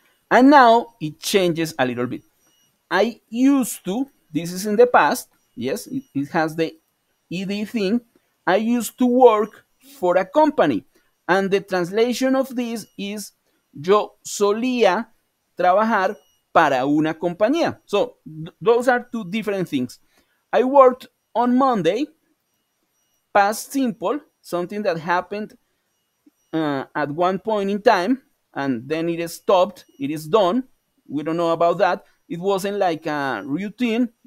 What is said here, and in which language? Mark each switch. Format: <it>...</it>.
<en>And now it changes a little bit. I used to, this is in the past. Yes, it has the ED thing. I used to work for a company. And the translation of this is</en> <es>yo solía trabajar para una compañía.</es> <en>So those are two different things. I worked on Monday, past simple, something that happened at one point in time. And then it stopped. It is done. We don't know about that. It wasn't like a routine.</en>